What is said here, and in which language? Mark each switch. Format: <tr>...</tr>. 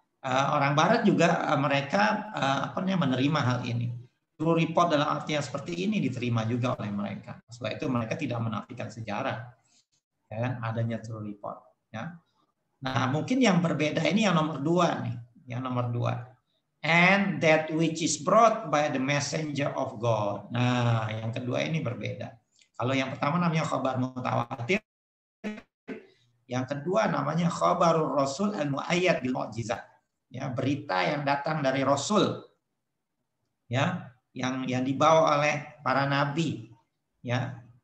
<id>Orang Barat juga mereka menerima hal ini. True report dalam artian seperti ini diterima juga oleh mereka. Setelah itu mereka tidak menafikan sejarah. Ya, kan? Adanya true report. Ya? Nah, mungkin yang berbeda ini yang nomor dua nih. Yang nomor dua.</id> <en>And that which is brought by the messenger of God.</en> <id>Nah, yang kedua ini berbeda. Kalau yang pertama namanya khabar mutawatir, yang kedua namanya khabarul rasul al-mu'ayyad bil mu'jizah. Ya, berita yang datang dari rasul. Ya, yang dibawa oleh para nabi. Ya.</id>